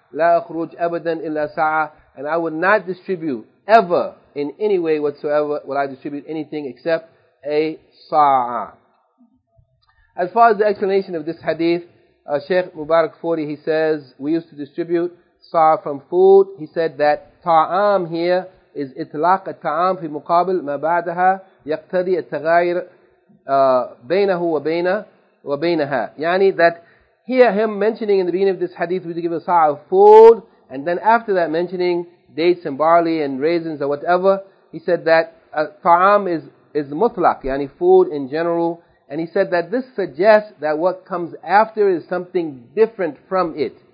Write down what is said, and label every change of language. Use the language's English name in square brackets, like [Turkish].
[Arabic] لا أخرج أبدا إلا ساعة, [English] and I will not distribute ever in any way whatsoever will I distribute anything except a ساعة. As far as the explanation of this hadith, Sheikh Mubarak Fouri, he says, we used to distribute ساعة from food. He said that ta'am here is [Arabic] إطلاق الطعام في مقابل ما بعدها يقتضي التغاير بينه وبين وبينها. [English] يعني that here him mentioning in the beginning of this hadith we give a sa'a of food, and then after that mentioning dates and barley and raisins or whatever, he said that ta'am is mutlaq, yani food in general. And he said that this suggests that what comes after is something different from it.